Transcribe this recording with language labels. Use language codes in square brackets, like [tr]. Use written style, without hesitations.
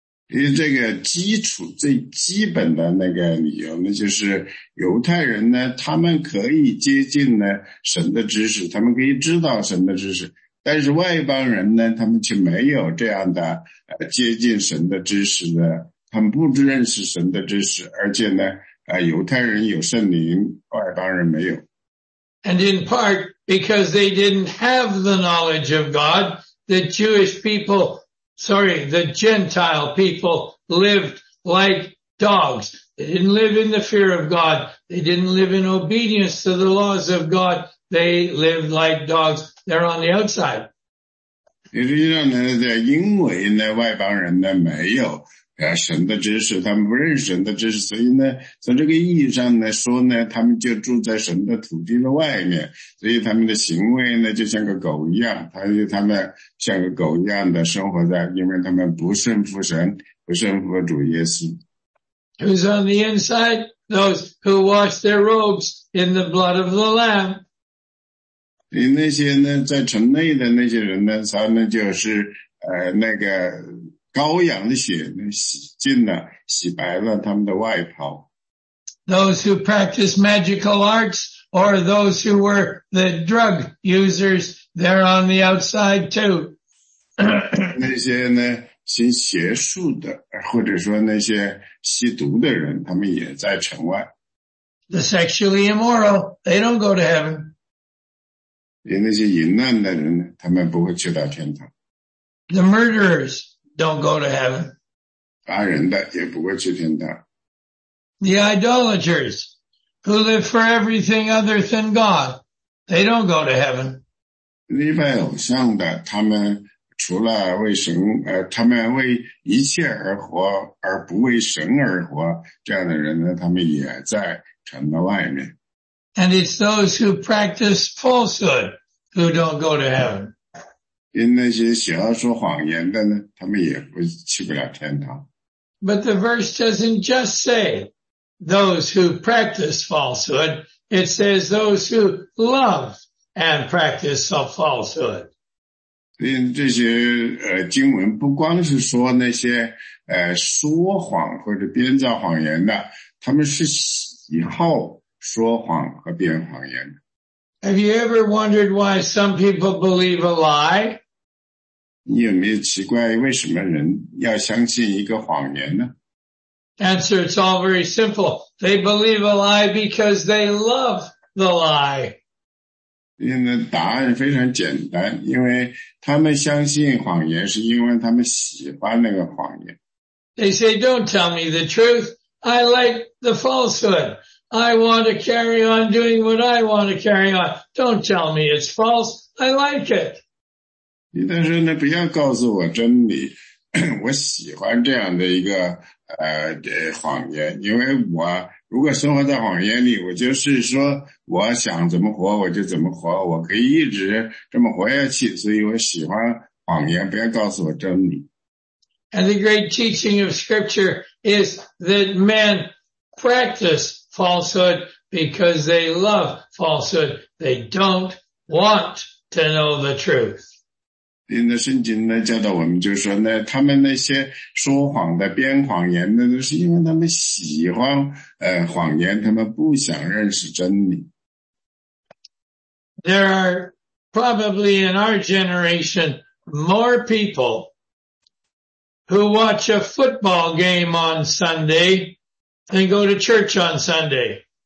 [zh] 因为这个基础最基本的那个理由呢就是犹太人呢他们可以接近呢神的知识，他们可以知道神的知识。但是外邦人呢他们却没有这样的接近神的知识呢，他们不认识神的知识，而且呢犹太人有圣灵，外邦人没有。 [en] And in part, because they didn't have the knowledge of God, the Gentile people lived like dogs. They didn't live in the fear of God. They didn't live in obedience to the laws of God. They lived like dogs. They're on the outside. [zh] 也是因为呢外邦人呢没有神的知识，他们不认识神的知识，所以呢从这个意义上来说呢他们就住在神的土地的外面，所以他们的行为呢就像个狗一样，他们像个狗一样的生活在，因为他们不顺服神，不顺服主耶稣。 [en] Who's on the inside? Those who wash their robes in the blood of the Lamb. [zh] 那些呢在城内的那些人呢他们就是那个羔羊的血洗净了洗白了他们的外袍。 [en] Those who practice magical arts or those who were the drug users, they're on the outside too. [zh] 那些呢行邪术的或者说那些吸毒的人他们也在城外。 [en] The sexually immoral, they don't go to heaven. [zh] 连那些淫乱的人他们不会去到天堂。 [en] The murderers don't go to heaven. [zh] 杀人的也不会去天堂。 [en] The idolaters who live for everything other than God, they don't go to heaven. [zh] 礼拜偶像的他们除了为神他们为一切而活而不为神而活这样的人呢他们也在城的外面。 [en] And it's those who practice falsehood who don't go to heaven. [zh] 因那些喜欢说谎言的呢他们也不去不了天堂。 [en] But the verse doesn't just say,Those who practice falsehood, it says those who love and practice falsehood. [zh] 这些经文不光是说那些说谎或者编造谎言的，他们是喜好说谎和编谎言的。 [en] Have you ever wondered why some people believe a lie? [zh] 你有没有奇怪为什么人要相信一个谎言呢？ [en] Answer, it's all very simple. They believe a lie because they love the lie. [zh] 因为答案非常简单，因为他们相信谎言是因为他们喜欢那个谎言。 [en] They say, don't tell me the truth. I like the falsehood. I want to carry on doing what I want to carry on. Don't tell me it's false. I like it. [zh] 但是呢，不要告诉我真理。我喜欢这样的一个谎言，因为我如果生活在谎言里，我就是说我想怎么活我就怎么活，我可以一直这么活下去，所以我喜欢谎言，不要告诉我真理。 [en] And the great teaching of scripture is that men practice falsehood because they love falsehood. They don't want to know the truth. [zh] 因为圣经呢教导我们就是说呢他们那些说谎的编谎言呢都是因为他们喜欢谎言他们不想认识真理。 [en] There are probably in our generation more people who watch a football game on Sunday than go to church on Sunday.